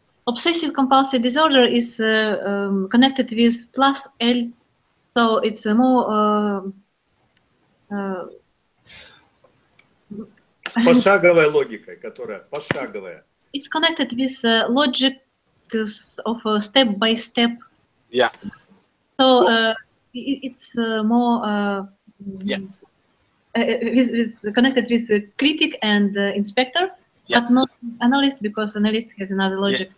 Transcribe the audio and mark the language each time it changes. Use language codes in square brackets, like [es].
[en] Obsessive compulsive disorder is connected with plus L, so it's a more [ru] с пошаговой логикой, которая пошаговая. [en] It's connected with logic of a step by step. Yeah. So it's more with connected with critic and inspector. Yeah. But not analyst, because analyst has another logic.